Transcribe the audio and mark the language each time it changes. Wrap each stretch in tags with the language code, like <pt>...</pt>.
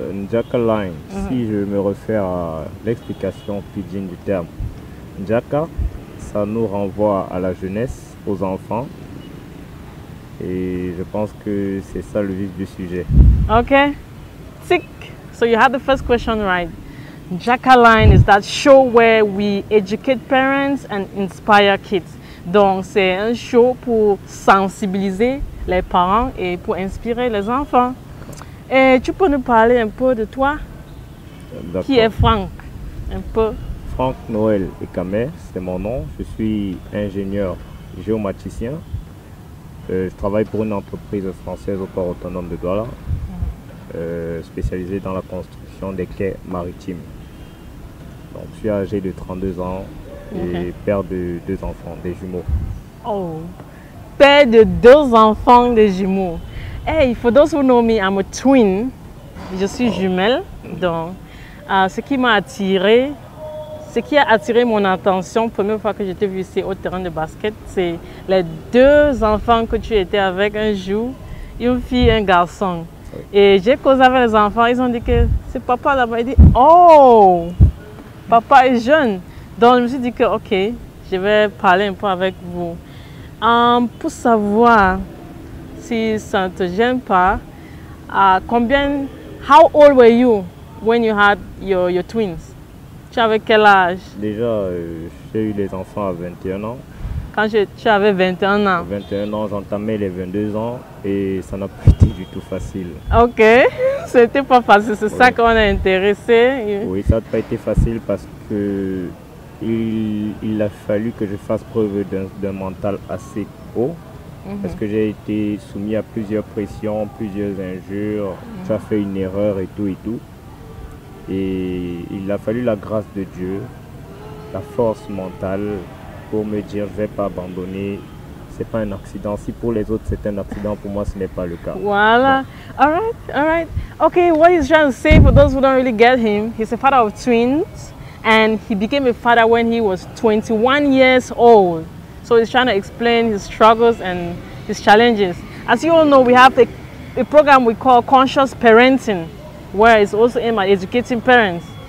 <fr>Jackaline, mm-hmm. Si je me réfère à l'explication pidgin du terme. Jacka, ça nous renvoie à la jeunesse, aux enfants. Et je pense que c'est ça le vif du sujet.</fr> <en>Ok. Tic. So you had the first question right. Jackaline is that show where we educate parents and inspire kids.</en> <fr>Donc, c'est un show pour sensibiliser les parents et pour inspirer les enfants. Et tu peux nous parler un peu de toi? D'accord. Qui est Franck? Un peu. Franck Noël Ekame, c'est mon nom. Je suis ingénieur géomatricien. Je travaille pour une entreprise française au port autonome de Douala, spécialisée dans la construction des quais maritimes. Donc, je suis âgé de 32 ans. Et père de deux enfants, des jumeaux. Oh, père de deux enfants, des jumeaux.</fr> <en>Hey, for those who know me, I'm a twin.</en> <fr>Je suis jumelle. Donc, ce qui a attiré mon attention, première fois que je t'ai vu ici au terrain de basket, c'est les deux enfants que tu étais avec un jour, une fille et un garçon. Oui. Et j'ai causé avec les enfants, ils ont dit que c'est papa là-bas. Il dit, oh, papa est jeune. Donc, je me suis dit que, ok, je vais parler un peu avec vous. Pour savoir si ça ne te gêne pas,</fr> <en>how old were you when you had your twins?</en> <fr>Tu avais quel âge? Déjà, j'ai eu les enfants à 21 ans. Quand tu avais 21 ans? 21 ans, j'entamais les 22 ans et ça n'a pas été du tout facile. Ok, c'était pas facile, c'est ça qu'on est intéressé. Oui, ça n'a pas été facile parce que. Il a fallu que je fasse preuve d'un mental assez haut. Mm-hmm. Parce que j'ai été soumis à plusieurs pressions, plusieurs injures. Mm-hmm. Tu as fait une erreur et tout et tout. Et il a fallu la grâce de Dieu, la force mentale pour me dire je ne vais pas abandonner. Ce n'est pas un accident. Si pour les autres c'est un accident, pour moi ce n'est pas le cas. Voilà. Bon.</fr> <en>All right. Okay, what he's trying to say for those who don't really get him, he's a father of twins. And he became a father when he was 21 years old. So he's trying to explain his struggles and his challenges. As you all know, we have a program we call Conscious Parenting, where it's also aimed at educating parents.</en>